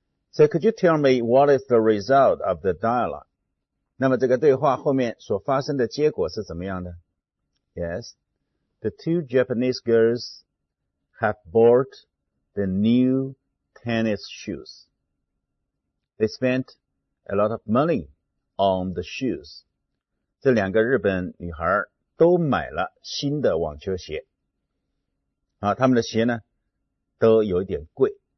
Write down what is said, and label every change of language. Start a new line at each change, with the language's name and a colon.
English: So could you tell me what is the result of the dialogue?
Chinese: 那么这个对话后面所发生的结果是怎么样的？
English: Yes, the two Japanese girls have bought the new tennis shoes. They spent a lot of money on the shoes.
Chinese: 这两个日本女孩都买了新的网球鞋。啊，她们的鞋呢都有一点贵。